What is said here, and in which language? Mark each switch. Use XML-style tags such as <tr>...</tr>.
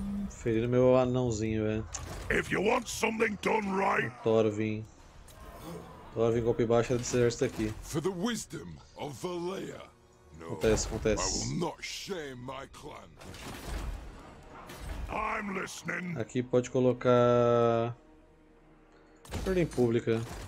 <pt>Ferindo meu anãozinho, velho.</pt> <en>If you want something done right.</en> <pt>Adoro vir. Então vem golpe baixo desse exército aqui.</pt> <en>For the wisdom of Valeia.</en> <pt>Acontece, acontece.</pt> <en>I will not shame my clan. I'm listening.</en> <pt>Aqui pode colocar ordem pública.</pt>